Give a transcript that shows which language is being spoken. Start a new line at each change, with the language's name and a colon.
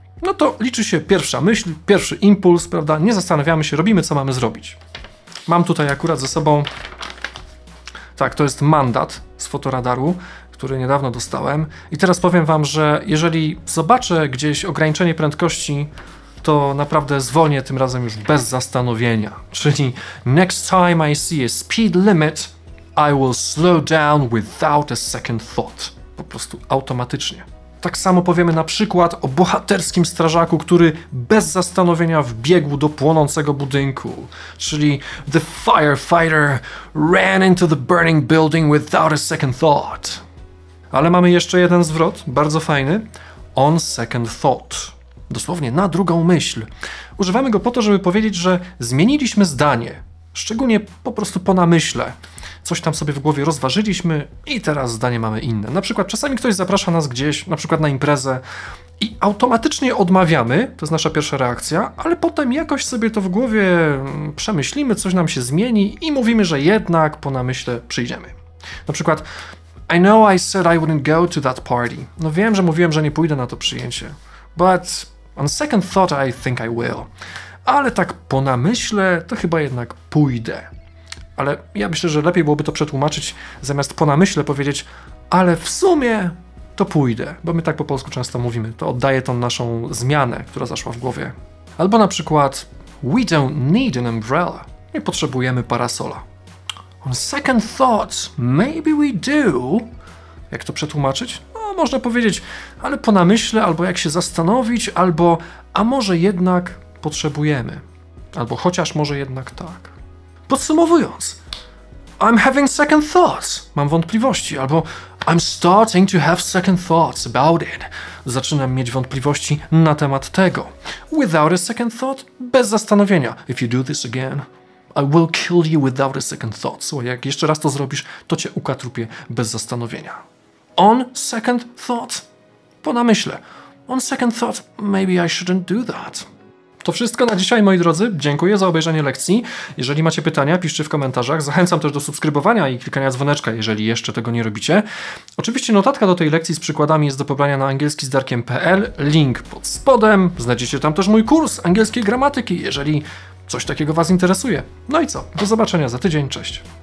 Polish: No to liczy się pierwsza myśl, pierwszy impuls, prawda? Nie zastanawiamy się, robimy co mamy zrobić. Mam tutaj akurat ze sobą... Tak, to jest mandat z fotoradaru, który niedawno dostałem. I teraz powiem wam, że jeżeli zobaczę gdzieś ograniczenie prędkości, to naprawdę zwolnię tym razem już bez zastanowienia. Czyli
English: next time I see a speed limit, I will slow down without a second thought.
Polish: Po prostu automatycznie. Tak samo powiemy na przykład o bohaterskim strażaku, który bez zastanowienia wbiegł do płonącego budynku. Czyli
English: the firefighter ran into the burning building without a second thought.
Polish: Ale mamy jeszcze jeden zwrot, bardzo fajny.
English: On second thought.
Polish: Dosłownie na drugą myśl. Używamy go po to, żeby powiedzieć, że zmieniliśmy zdanie. Szczególnie po prostu po namyśle. Coś tam sobie w głowie rozważyliśmy i teraz zdanie mamy inne. Na przykład czasami ktoś zaprasza nas gdzieś, na przykład na imprezę i automatycznie odmawiamy, to jest nasza pierwsza reakcja, ale potem jakoś sobie to w głowie przemyślimy, coś nam się zmieni i mówimy, że jednak po namyśle przyjdziemy. Na przykład
English: I know I said I wouldn't go to that party.
Polish: No wiem, że mówiłem, że nie pójdę na to przyjęcie.
English: But on second thought I think I will.
Polish: Ale tak po namyśle to chyba jednak pójdę. Ale ja myślę, że lepiej byłoby to przetłumaczyć, zamiast po namyśle powiedzieć ale w sumie to pójdę, bo my tak po polsku często mówimy. To oddaje tą naszą zmianę, która zaszła w głowie. Albo na przykład
English: we don't need an umbrella.
Polish: Nie potrzebujemy parasola.
English: On second thoughts, maybe we do.
Polish: Jak to przetłumaczyć? No, można powiedzieć, ale po namyśle, albo jak się zastanowić, albo a może jednak potrzebujemy. Albo chociaż może jednak tak. Podsumowując,
English: I'm having second thoughts.
Polish: Mam wątpliwości, albo
English: I'm starting to have second thoughts about it.
Polish: Zaczynam mieć wątpliwości na temat tego.
English: Without a second thought,
Polish: bez zastanowienia.
English: If you do this again, I will kill you without a second thought.
Polish: So jak jeszcze raz to zrobisz, to cię ukatrupię bez zastanowienia.
English: On second thought?
Polish: Po namyśle.
English: On second thought, maybe I shouldn't do that.
Polish: To wszystko na dzisiaj, moi drodzy. Dziękuję za obejrzenie lekcji. Jeżeli macie pytania, piszcie w komentarzach. Zachęcam też do subskrybowania i klikania dzwoneczka, jeżeli jeszcze tego nie robicie. Oczywiście notatka do tej lekcji z przykładami jest do pobrania na angielskizdarkiem.pl. Link pod spodem. Znajdziecie tam też mój kurs angielskiej gramatyki, jeżeli coś takiego was interesuje. No i co? Do zobaczenia za tydzień. Cześć.